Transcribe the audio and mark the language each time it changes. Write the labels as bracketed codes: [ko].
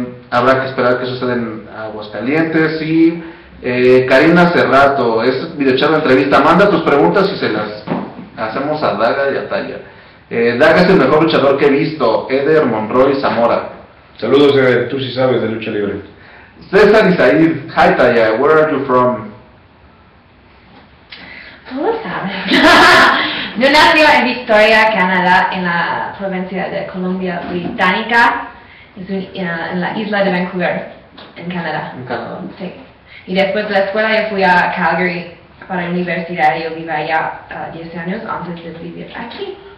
[es] Habrá que esperar que suceda en Aguascalientes, y Karina Cerrato, es videochat de entrevista, manda tus preguntas y se las hacemos a Daga y a Talla. Daga es el mejor luchador que he visto, Eder Monroy Zamora. Saludos, tú sí sabes de lucha libre. [en] César Isaid, hi Taya, where are you from? [es] Todos saben. Yo nací en Victoria, Canadá, en la provincia de Columbia Británica, en la isla de Vancouver, en Canadá. En Canadá. Sí. Y después de la escuela yo fui a Calgary para la universidad, y yo vivía allá 10 años antes de vivir aquí.